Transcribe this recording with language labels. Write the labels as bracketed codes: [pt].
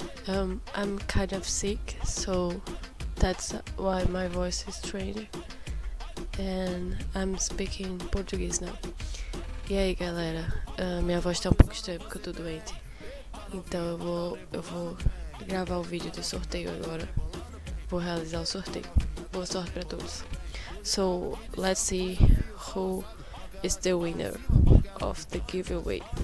[en] I'm kind of sick, so that's why my voice is strange, and I'm speaking Portuguese now. [pt] E aí galera, minha voz tá um pouco estranha porque eu tô doente. Então eu vou gravar o vídeo do sorteio agora. Vou realizar o sorteio. Boa sorte pra todos. [en] So, let's see who is the winner of the giveaway.